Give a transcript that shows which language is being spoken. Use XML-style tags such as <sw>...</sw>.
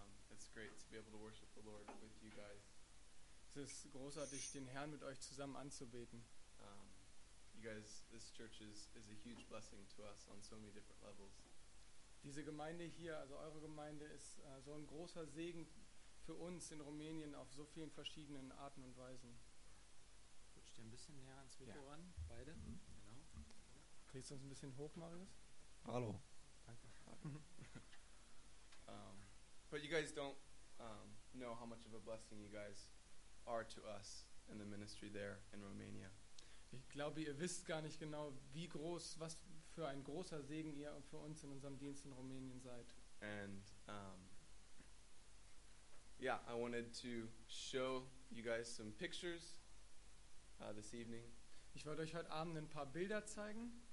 <en>It's great to be able to worship the Lord with you guys.</en> <de>Es ist großartig, den Herrn mit euch zusammen anzubeten.</de> <en>You guys, this church is a huge blessing to us on so many different levels.</en> <de>Diese Gemeinde hier, also eure Gemeinde, ist so ein großer Segen für uns in Rumänien auf so vielen verschiedenen Arten und Weisen. Rutscht ihr ein bisschen näher ans Mikro ran, beide? Mm-hmm. Genau. Kriegst du uns ein bisschen hoch, Marius? Hallo. Danke.</de> <en>But you guys don't know how much of a blessing you guys are to us in the ministry there in Romania.</en> <de>Ich glaube, ihr wisst gar nicht genau, wie groß, was für ein großer Segen ihr für uns in unserem Dienst in Rumänien seid.</de> <en>And I wanted to show you guys some pictures this evening.</en> <de>Ich wollte euch heute Abend ein paar Bilder zeigen.</de>